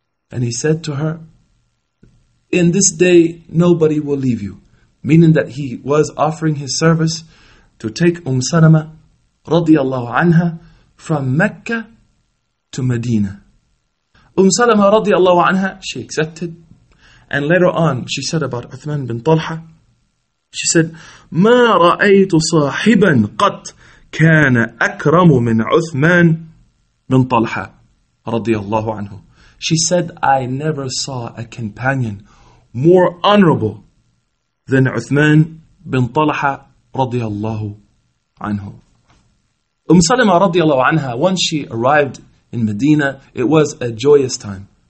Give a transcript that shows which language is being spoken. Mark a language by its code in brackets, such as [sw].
[en] And he said to her, in this day, nobody will leave you. Meaning that he was offering his service to take Salama radiallahu anha from Mecca to Medina. Salama radiallahu anha, she accepted. And later on, she said about Uthman bin Talha, she said, [ar] مَا رَأَيْتُ صَاحِبًا قَطْ كَانَ أَكْرَمُ مِنْ عُثْمَانِ مِنْ طَلْحَى رَضِيَ اللَّهُ عَنْهُ. [en] She said, I never saw a companion more honorable than Uthman bin Talha رَضِيَ اللَّهُ عَنْهُ. Salama رَضِيَ اللَّهُ عَنْهَا, when she arrived in Medina, it was a joyous time.